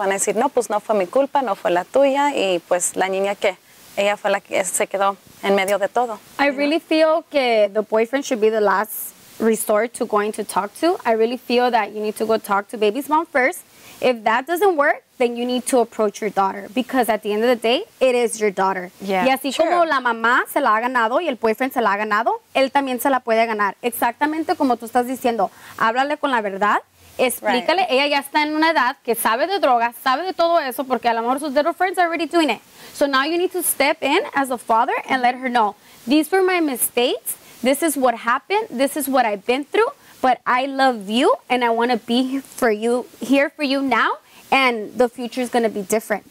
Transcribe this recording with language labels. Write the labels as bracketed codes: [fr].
[es] Van a decir, no, pues no fue mi culpa, no fue la tuya y pues la niña que ella fue la que se quedó en medio de todo. [en] I really feel [es] que [en] the boyfriend should be the last resort to going to talk to. I really feel that you need to go talk to baby's mom first. If that doesn't work, then you need to approach your daughter because at the end of the day, it is your daughter. Yeah, [es] y así [en] true. [es] Como la mamá se la ha ganado y el boyfriend se la ha ganado, él también se la puede ganar. Exactamente como tú estás diciendo, háblale con la verdad, explícale. [en] Right. [es] Ella ya está en una edad que sabe de drogas, sabe de todo eso porque a lo mejor sus [en] little friends are already doing it. So now you need to step in as a father and let her know, these were my mistakes, this is what happened, this is what I've been through, but I love you and I want to be for you, here for you now. And the future is going to be different.